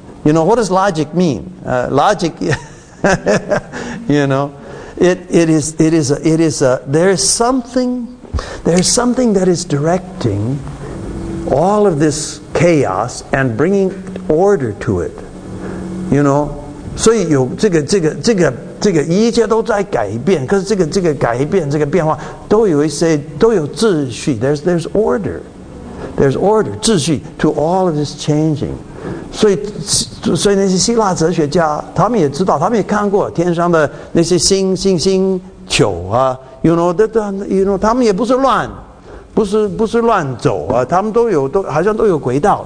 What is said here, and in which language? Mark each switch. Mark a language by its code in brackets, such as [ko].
[en] You know, what does logic mean? Logic, you know, there is something that is directing all of this chaos and bringing order to it. You know, [zh] 所以有这个这个一切都在改变，可是这个改变，这个变化都有一些都有秩序。 [en] There's order, there's order, 秩序 to all of this changing. [zh] 所以那些希腊哲学家他们也知道，他们也看过天上的那些星球啊 ， [en] you know that you know [zh] 他们也不是乱走啊，他们都好像都有轨道。